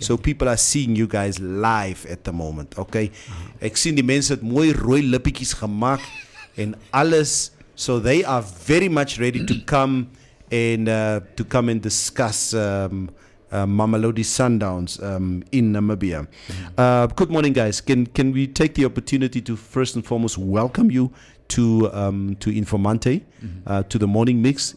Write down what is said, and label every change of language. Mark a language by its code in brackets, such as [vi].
[en] So people are seeing you guys live at the moment, okay? [af] Ek sien die mense het mooi rooi lippietjies gemaak en alles. [en] So they are very much ready to come and to come and discuss Mamelodi Sundowns in Namibia. Good morning, guys. Can we take the opportunity to first and foremost welcome you to Informante, to the morning mix?